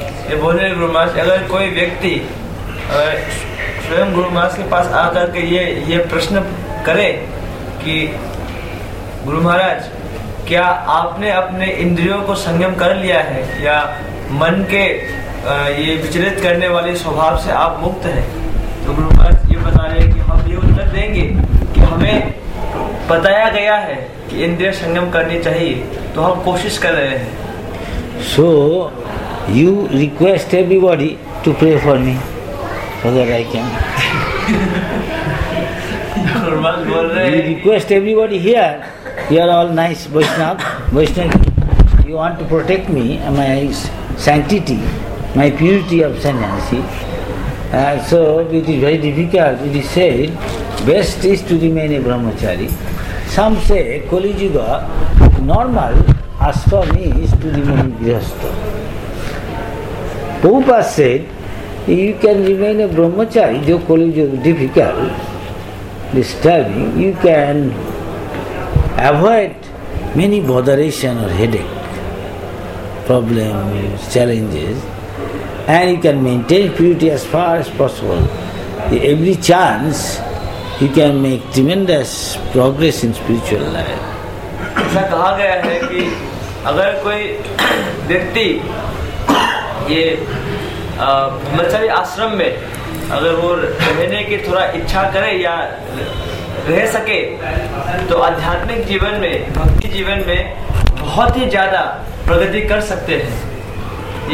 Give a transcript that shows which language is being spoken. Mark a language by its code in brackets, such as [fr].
[hi] ये बोले गुरु महाराज, अगर कोई व्यक्ति स्वयं गुरु महाराज के पास आकर के ये प्रश्न करे कि गुरु महाराज, क्या आपने अपने इंद्रियों को संयम कर लिया है या मन के ये विचलित करने वाले स्वभाव से आप मुक्त हैं, तो गुरु महाराज ये बता रहे हैं कि हम ये उत्तर देंगे कि हमें बताया गया है कि इंद्रिय संयम करनी चाहिए, तो हम कोशिश कर रहे हैं। [en] So You request everybody to pray for me so that I can. You request everybody here. You are all nice Vaishnav. You want to protect me and my sanctity, my purity of sannyasi. So it is very difficult. It is said, best is to remain a brahmachari. Some say, Kali Yuga, normal as for me is to remain grihastha. Prabhupada said, you can remain a brahmachari, though Kali Yuga is difficult, disturbing, you can avoid many botheration or headache, problems, challenges, and you can maintain purity as far as possible. Every chance, you can make tremendous progress in spiritual life. [hi] ऐसा कहा गया है कि अगर कोई व्यक्ति ये ब्रह्मचारी आश्रम में अगर वो रहने की थोड़ा इच्छा करे या रह सके, तो आध्यात्मिक जीवन में, भक्ति जीवन में बहुत ही ज़्यादा प्रगति कर सकते हैं।